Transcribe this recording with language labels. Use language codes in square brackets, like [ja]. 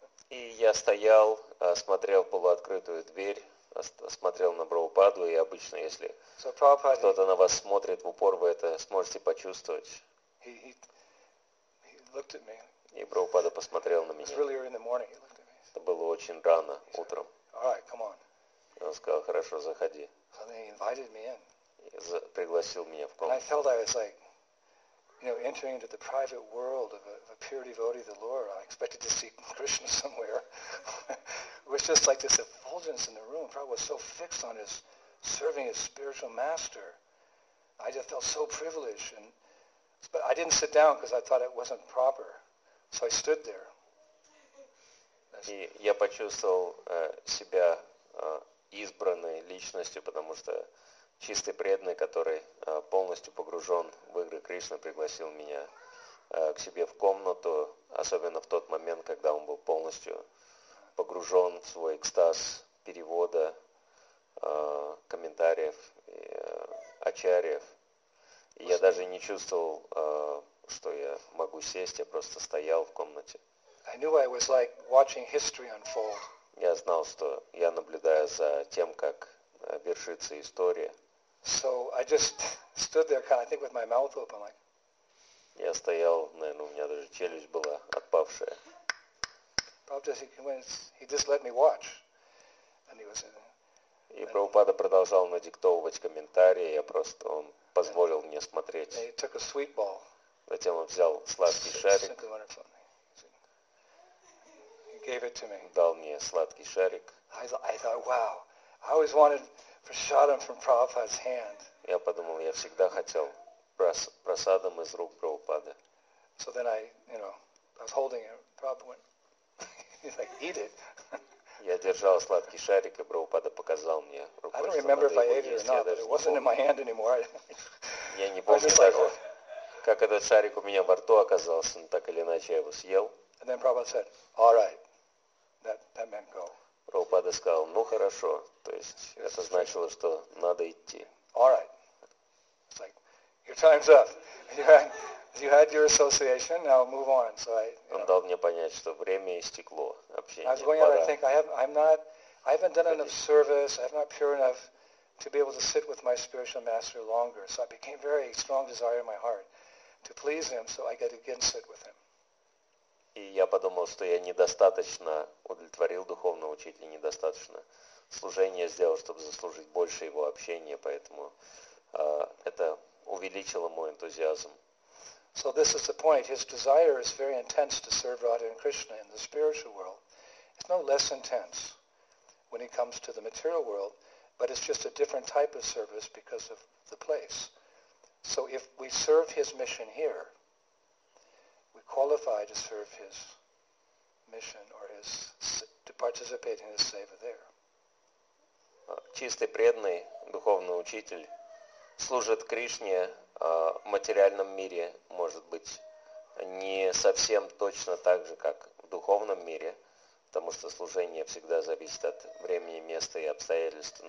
[ru] И я стоял, смотрел полуоткрытую дверь. Смотрел на Прабхупаду, и обычно, если кто-то на вас смотрит в упор, вы это сможете почувствовать. [en] He looked at me. [ru] И Прабхупада посмотрел на меня. [en] Really early in the morning, he looked at me. [ru] Это было очень рано, [en] said, [ru] утром. [en] All right, come on. [ru] И он сказал, хорошо, заходи. [en] So they invited me in. [ru] И пригласил меня в комнату. [en] And I felt I was like, you know, entering into the private world of a pure devotee of the Lord. I expected to see Krishna somewhere. It was just like this effulgence in the room. Prabhupada was so fixed on his serving his spiritual master. I just felt so privileged. But I didn't sit down because I thought it wasn't proper. So I stood there. [ru] И я почувствовал себя избранной личностью, потому что чистый преданный, который полностью погружен в игры Кришны, пригласил меня к себе в комнату, особенно в тот момент, когда он был полностью погружен в свой экстаз перевода комментариев и ачарьев. Я даже не чувствовал, что я могу сесть, я просто стоял в комнате. [en] I knew I was like watching history unfold. [ru] Я знал, что я наблюдаю за тем, как вершится история. [en] So I just stood there kind of, I think with my mouth open like. [ru] Я стоял, наверное, у меня даже челюсть была отпавшая. [en] He just let me watch. And he was, [ru] и Прабхупада продолжал надиктовывать комментарии, я просто, он позволил мне смотреть. [en] He took a sweet ball. [ru] Затем он взял сладкий шарик. [en] He gave it to me. [ru] Дал мне сладкий шарик. [en] I thought, wow, I always wanted prasadam from Prabhupada's hand. [ru] Я подумал, я всегда хотел прасадам из рук Прабхупады. [en] So then I, you know, I was holding it. Prabhupada went, he's like, eat it. [ru] Я держал сладкий шарик, и Прабхупада показал мне рукой, [en] I don't remember if I ate it or not, but it wasn't in my hand anymore. [ru] Я не помню даже, как этот шарик у меня во рту оказался, но так или иначе я его съел. [en] And then Prabhupada said, all right, that meant go. [ru] Прабхупада сказал, ну хорошо, то есть это значило, что надо идти. [en] All right. It's like, your time's up. You had your association, now move on. So I, [ru] он дал мне понять, что время истекло, общение пора. [en] I was going out, I think, I haven't done enough service, I'm not pure enough to be able to sit with my spiritual master longer. So I became very strong desire in my heart to please him, so I got to again sit with him. [ru] И я подумал, что я недостаточно удовлетворил духовного учителя, недостаточно служения сделал, чтобы заслужить больше его общения, поэтому это увеличило мой энтузиазм. [en] So this is the point. His desire is very intense to serve Radha and Krishna in the spiritual world. It's no less intense when it comes to the material world, but it's just a different type of service because of the place. So if we serve his mission here, qualified to serve his mission or his to participate in his seva there. [ru] Чистый преданный духовный учитель служит Кришне в материальном мире, может быть, не совсем точно так же, как в духовном мире, потому что служение всегда зависит от времени, места и обстоятельств.